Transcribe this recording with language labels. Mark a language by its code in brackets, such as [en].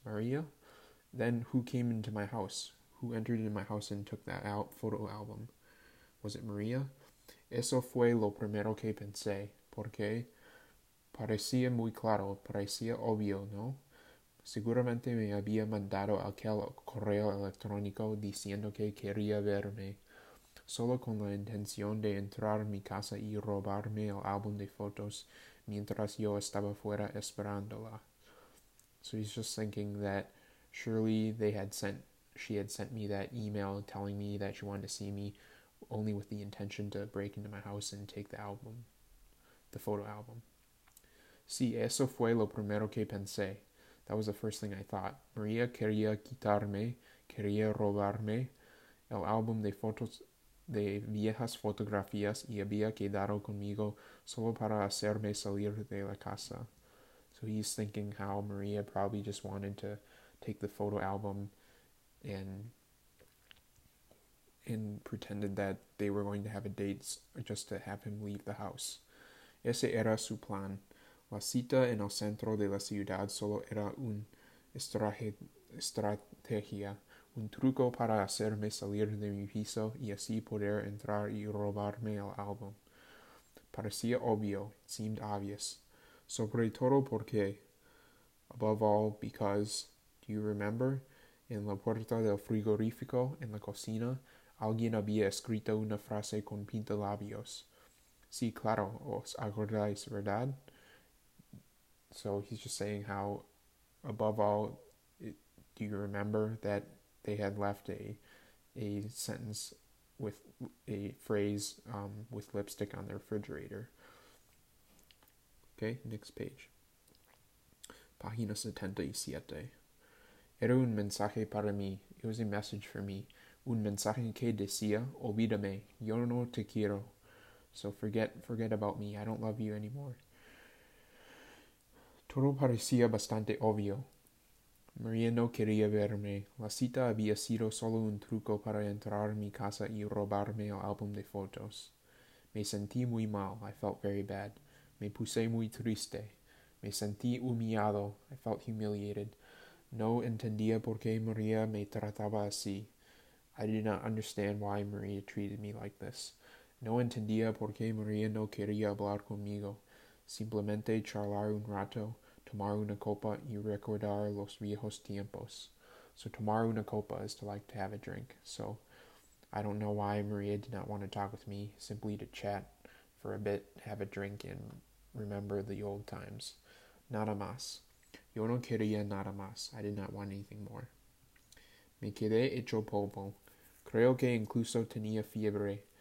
[en] Maria? Then who came into my house? Who entered into my house and took that out photo album? Was it Maria? [es] Eso fue lo primero que pensé. ¿Por qué? Parecía muy claro, parecía obvio, ¿no? Seguramente me había mandado aquel correo electrónico diciendo que quería verme, solo con la intención de entrar en mi casa y robarme el álbum de fotos mientras yo estaba fuera esperándola. [en] So he's just thinking that surely they had sent. She had sent me that email telling me that she wanted to see me only with the intention to break into my house and take the album, the photo album. [es] Sí, eso fue lo primero que pensé. [en] That was the first thing I thought. [es] María quería quitarme, quería robarme el álbum de fotos, de viejas fotografías y había quedado conmigo solo para hacerme salir de la casa. [en] So he's thinking how María probably just wanted to take the photo album and pretended that they were going to have a date just to have him leave the house. [es] Ese era su plan. La cita en el centro de la ciudad solo era un estrategia, un truco para hacerme salir de mi piso y así poder entrar y robarme el álbum. Parecía obvio, [en] it seemed obvious. [es] Sobre todo porque, [en] above all, because, do you remember? [es] En la puerta del frigorífico, en la cocina, alguien había escrito una frase con pintalabios. Sí, claro, os acordáis, ¿verdad? [en] So he's just saying how, above all, do you remember that they had left a sentence with a phrase with lipstick on the refrigerator? Okay, next page. Página 77. [es] Era un mensaje para mí. [en] It was a message for me. [es] Un mensaje que decía, olvídame, yo no te quiero. [en] So forget about me. I don't love you anymore. [es] Todo parecía bastante obvio. María no quería verme. La cita había sido solo un truco para entrar en mi casa y robarme el álbum de fotos. Me sentí muy mal. [en] I felt very bad. [es] Me puse muy triste. Me sentí humillado. [en] I felt humiliated. [es] No entendía por qué María me trataba así. [en] I did not understand why María treated me like this. [es] No entendía por qué María no quería hablar conmigo. Simplemente charlar un rato, tomar una copa y recordar los viejos tiempos. [en] So [es] tomar una copa [en] is to like to have a drink. So I don't know why María did not want to talk with me, simply to chat for a bit, have a drink, and remember the old times. [es] Nada más. Yo no quería nada más. [en] I did not want anything more. [es] Me quedé hecho polvo. Creo que incluso tenía fiebre.